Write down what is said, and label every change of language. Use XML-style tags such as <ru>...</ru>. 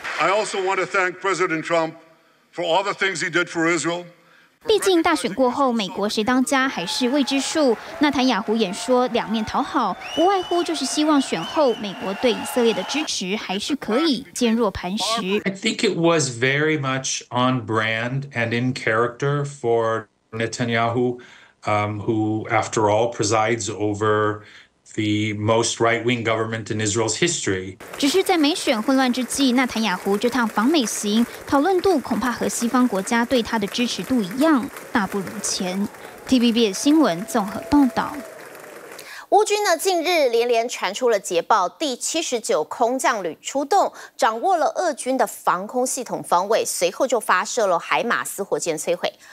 <en>I also want to thank President Trump for all the things he did for Israel.</en> <zh>毕竟大选过后，美国谁当家还是未知数。纳坦雅胡演说两面讨好，无外乎就是希望选后美国对以色列的支持还是可以坚若磐石。</zh> <en>I think it was very much on brand and in character for Netanyahu, who, after all, presides over. The most right-wing government in Israel's history.</en> <zh>只是在美选混乱之际，纳坦雅胡这趟访美行讨论度恐怕和西方国家对他的支持度一样，大不如前。 TVBS 新闻综合报道。乌军呢近日连连传出了捷报，第79空降旅出动，掌握了俄军的防空系统方位，随后就发射了海马斯火箭摧毁。</zh>